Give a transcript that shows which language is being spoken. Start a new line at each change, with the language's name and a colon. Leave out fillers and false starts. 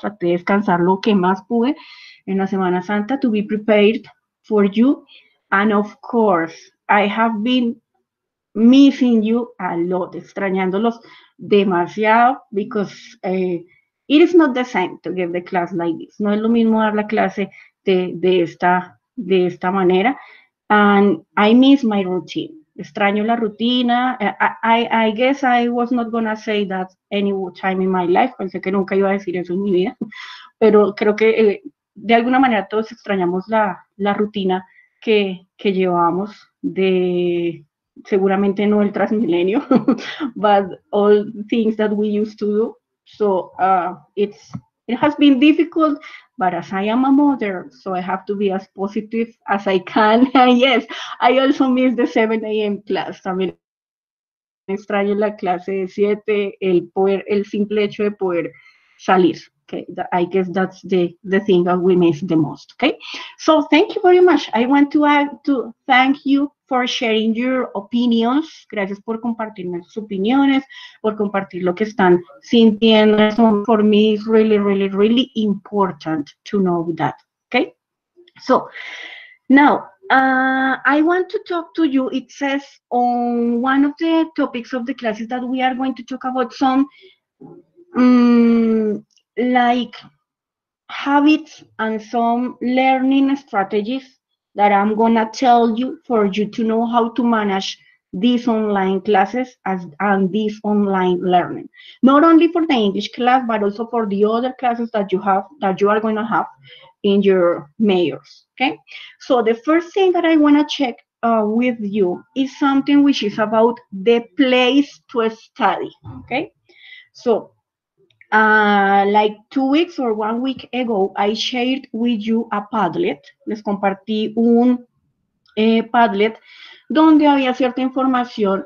Spanish: Traté de descansar lo que más pude en la Semana Santa
English: to be prepared for you. And of course, I have been missing you a lot,
Spanish: extrañándolos demasiado,
English: because it is not the same to give the class like this.
Spanish: No es lo mismo dar la clase de esta manera.
English: And I miss my routine.
Spanish: Extraño la rutina.
English: I guess I was not going to say that any time in my life.
Spanish: Pensé que nunca iba a decir eso en mi vida. Pero creo que de alguna manera todos extrañamos la rutina que llevamos de, seguramente no el Transmilenio,
English: but all things that we used to do. So it has been difficult, but as I am a mother, so I have to be as positive as I can. And yes, I also miss the 7 a.m. class.
Spanish: También extraño la clase de 7, el simple hecho de poder salir.
English: Okay? I guess that's the thing that we miss the most. Okay. So thank you very much. I want to thank you for sharing your opinions.
Spanish: Gracias por compartirme sus opiniones, por compartir lo que están sintiendo.
English: For me, it's really, really, really important to know that, okay? So, now, I want to talk to you, it says, on one of the topics of the classes that we are going to talk about some, like, habits and some learning strategies that I'm gonna tell you for you to know how to manage these online classes and this online learning. Not only for the English class, but also for the other classes that you have, that you are gonna have in your majors, okay? So the first thing that I wanna check with you is something which is about the place to study, okay? So like 2 weeks or 1 week ago, I shared with you a Padlet.
Spanish: Les compartí un Padlet donde había cierta información.